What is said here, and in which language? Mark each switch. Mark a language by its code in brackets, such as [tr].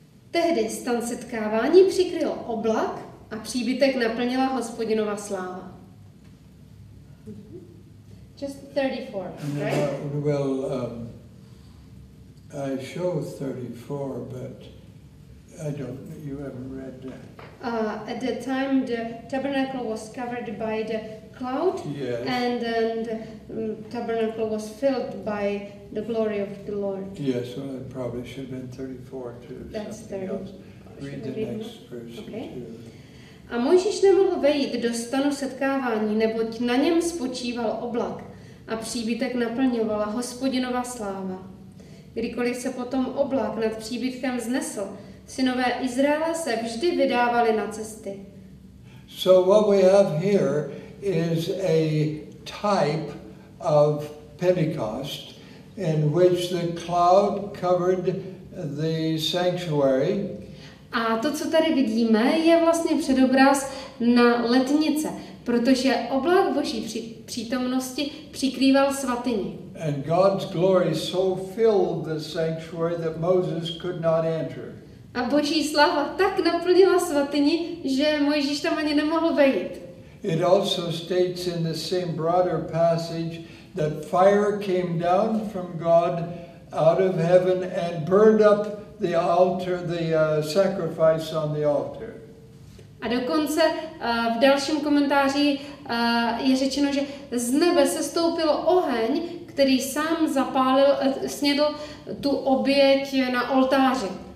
[cs] Tehdy stan setkávání přikryl oblak a příbytek naplnila Hospodinova sláva. [en] Just 34, right? Well, I show 34, but I don't, you haven't read that. At the time the tabernacle was covered by the cloud, yes. And then the tabernacle was filled by the glory of the Lord. Yes, well, it probably should have been 34 too. That's 34. Read the next verse. Okay. [cs] Too. A Mojžíš nemohl vejít do stanu setkávání, neboť na něm spočíval oblak a příbytek naplňovala Hospodinova sláva. Kdykoliv se potom oblak nad příbytkem vznesl, synové Izraela se vždy vydávali na cesty. [en] So what we have here is a type of Pentecost in which the cloud covered the sanctuary. [cs] A to, co tady vidíme, je vlastně předobraz na letnice, protože oblak Boží přítomnosti přikrýval svatyni. [en] And God's glory so filled the sanctuary that Moses could not enter. [cs] A Boží sláva tak naplnila svatyni, že Mojžíš tam ani nemohl vejít. [en] It also states in the same broader passage that fire came down from God out of heaven and burned up the altar, the sacrifice on the altar. [cs] A dokonce v dalším komentáři je řečeno, že z nebe se stoupil oheň, který sám zapálil, snědl tu oběť na oltáři.